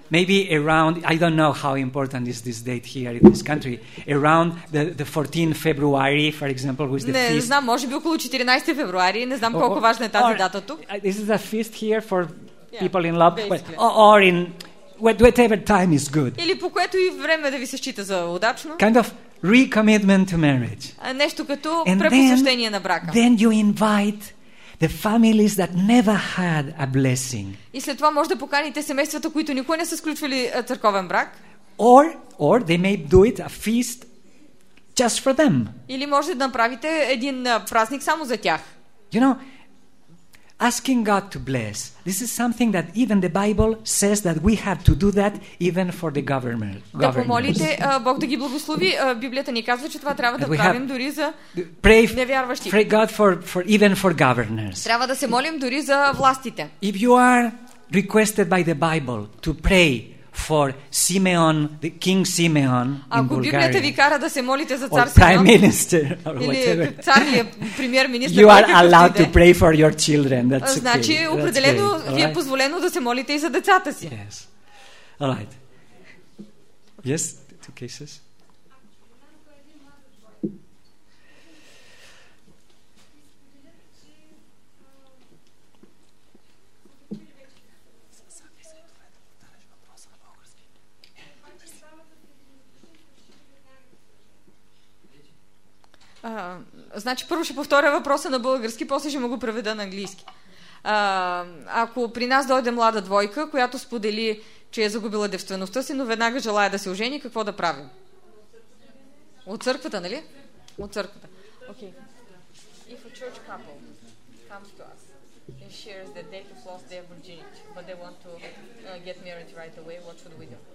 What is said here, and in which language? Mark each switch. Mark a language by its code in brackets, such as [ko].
[en] Maybe around, I don't know how important is this date here in this country. Around the 14th February, for example, who is the [bg] не, [en] feast. [bg] Не знам, може би около 14 февруари, не знам колко важна е тази дата тук. [en] This is a feast here for people in love. But, or in whatever time is good. [bg] Или по което и време да ви се счита за удачно. [en] Kind of recommitment to marriage. [bg] Нещо като препосвещение на брака. [en] Then you invite The families that never had a blessing. [bg] И след това може да поканите семействата, които никога не са сключвали църковен брак. [en] Or they may do it a feast just for them. [bg] Или може да направите един празник само за тях. [en] You know, asking God to bless. This is something that even the Bible says that we have to do that even for the government. [bg] Да помолите Бог да ги благослови. Библията ни казва, че това трябва да правим дори за невярващи. [en] Pray God for even for governors. [bg] Трябва да се молим дори за властите. [en] If you are requested by the Bible to pray for Simeon, the King Simeon in Bulgaria. [bg] Ако Библията ви кара да се молите за цар [en] Симеон, Prime Minister, [bg] премиер-министър, [en] you are allowed to pray for your children. That's okay. [bg] Значи определено ви е позволено да се молите и за децата си. [en] Yes. All right. Yes, two cases. [bg] Значи първо ще повторя въпроса на български, после ще му го преведа на английски. Ако при нас дойде млада двойка, която сподели, че е загубила девствеността си, но веднага желая да се ожени, какво да правим? От църквата, нали? От църквата. [en] Okay. If a church couple comes to us and shares that they have lost their virginity, but they want to get married right away, what should we do?